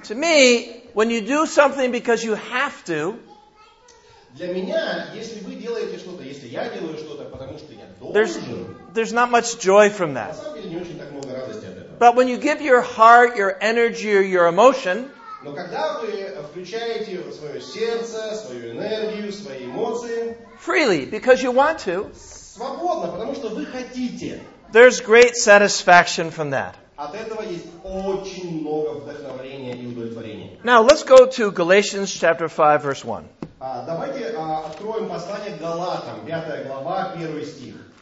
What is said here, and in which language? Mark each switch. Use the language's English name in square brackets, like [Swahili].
[English] To me, when you do something because you have to, [Russian] для меня, если вы делаете что-то, если я делаю что-то, потому что я должен, [English] there's not much joy from that. [Russian] На самом деле, не очень так много радости от этого. [English] But when you give your heart, your energy, or your emotion, [Russian] но когда вы включаете свое сердце, свою энергию, свои эмоции, [English] freely, because you want to, [Russian] свободно, потому что вы хотите, [English] there's great satisfaction from that. [Russian] От этого есть очень много вдохновения и удовлетворения. [English] Now, let's go to Galatians chapter 5, verse 1. [Russian] Давайте откроем послание к Галатам, 5 глава, 1 стих.